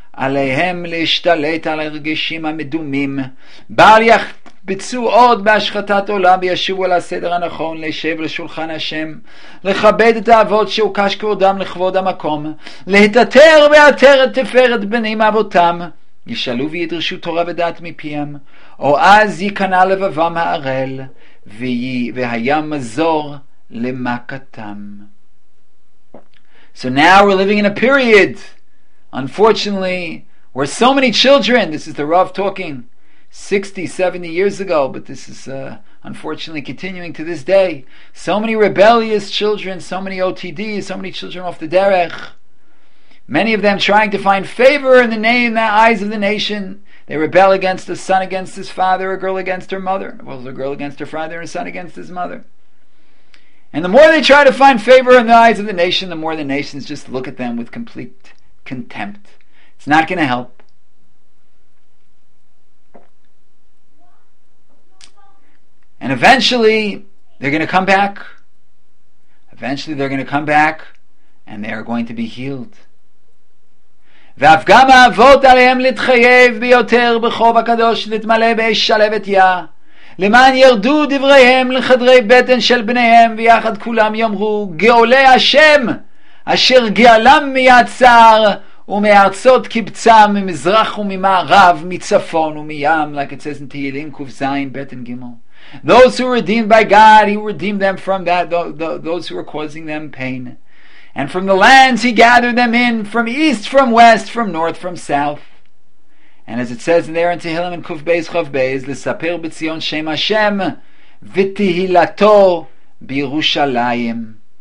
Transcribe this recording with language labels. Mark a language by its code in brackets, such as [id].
[he] עליהם להשתלט על הרגשים המדומים, בל יחפצו עוד בהשחטת עולם וישובו לסדר הנכון, לשב לשולחן השם, לכבד את האבות שהוקש כבודם לכבוד המקום, להתעטר ועטר את תפארת בנים אבותם, ישאלו וידרשו תורה ודעת מפיהם, או אז יקנה לבבם הערל והיה מזור למכתם. [en] So now we're living in a period, unfortunately, where so many children, this is the Rav talking 60, 70 years ago, but this is unfortunately continuing to this day, so many rebellious children, so many OTDs, so many children off the derech, many of them trying to find favor in the name, in the eyes of the nation. They rebel against a son against his father, a girl against her mother, well, a girl against her father, and a son against his mother. And the more they try to find favor in the eyes of the nation, the more the nations just look at them with complete contempt. It's not going to help. And eventually, they're going to come back. Eventually, they're going to come back, and they are going to be healed. [he] ואף גם האבות עליהם להתחייב ביותר בחוב הקדוש להתמלא באש שלהבת יה, למען ירדו דבריהם לחדרי בטן של בניהם, ויחד כולם יאמרו גאולי השם אשר גאלם מיצר ומארצות קבצם ממזרח וממערב מצפון ומים, [en] like it says in Tehillim Kufzayin Beten Gimel. Those who were redeemed by God, he redeemed them from that, those who were causing them pain. And from the lands he gathered them in, from east, from west, from north, from south. And as it says in there in Tehillim and Kuf Beis Chav Beis, [he] Lesapir B'tzion Shem Hashem V'tehilato B'Yerushalayim.